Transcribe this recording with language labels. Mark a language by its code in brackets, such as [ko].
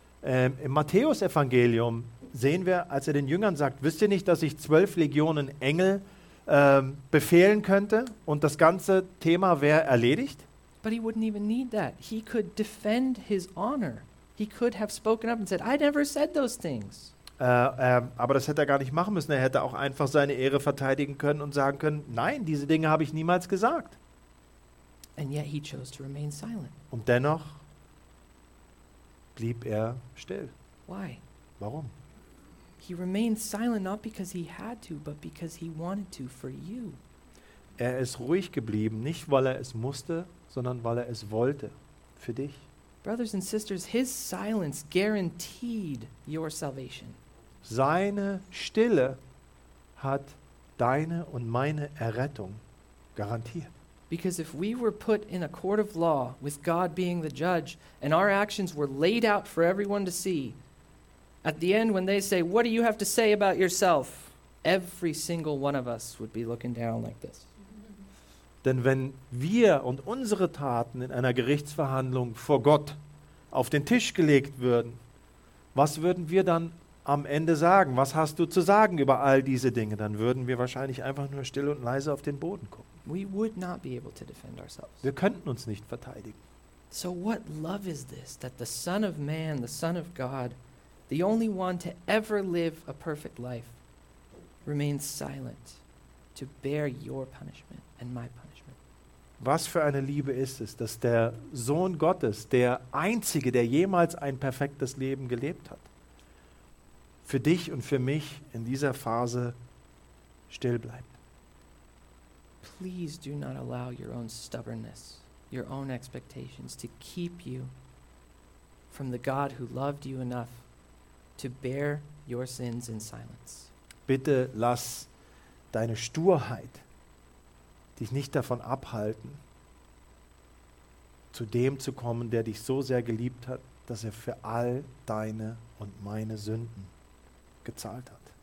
[de] Im Matthäus-Evangelium sehen wir, als er den Jüngern sagt, wisst ihr nicht, dass ich 12 Legionen Engel befehlen könnte und das ganze Thema wäre erledigt? [en] But he wouldn't even need that. He could defend his honor. He could have spoken up and said, I never said those things. [de] Aber das hätte er gar nicht machen müssen. Er hätte auch einfach seine Ehre verteidigen können und sagen können, nein, diese Dinge habe ich niemals gesagt. [en] And yet he chose to remain silent. [de] Und dennoch blieb er still. [en] Why? [de] Warum? [en] He remained silent not because he had to, but because he wanted to for you. [de] Er ist ruhig geblieben, nicht weil er es musste, sondern weil er es wollte für dich. [en] Brothers and sisters, his silence guaranteed your salvation. [de] Seine Stille hat deine und meine Errettung garantiert. [en] Because if we were put in a court of law with God being the judge and our actions were laid out for everyone to see, at the end when they say, what do you have to say about yourself? Every single one of us would be looking down like this. [de] Denn wenn wir und unsere Taten in einer Gerichtsverhandlung vor Gott auf den Tisch gelegt würden, was würden wir dann am Ende sagen? Was hast du zu sagen über all diese Dinge? Dann würden wir wahrscheinlich einfach nur still und leise auf den Boden gucken. [en] We would not be able to defend ourselves. [de] Wir könnten uns nicht verteidigen. [en] So what love is this, that the Son of Man, the Son of God, the only one to ever live a perfect life, remains silent to bear your punishment and my punishment? [de] Was für eine Liebe ist es, dass der Sohn Gottes, der Einzige, der jemals ein perfektes Leben gelebt hat, für dich und für mich in dieser Phase still bleibt? [en] Please do not allow your own stubbornness, your own expectations to keep you from the God who loved you enough to bear your sins in silence. [de] Bitte lass deine Sturheit dich nicht davon abhalten, zu dem zu kommen, der dich so sehr geliebt hat, dass er für all deine und meine Sünden gezahlt hat.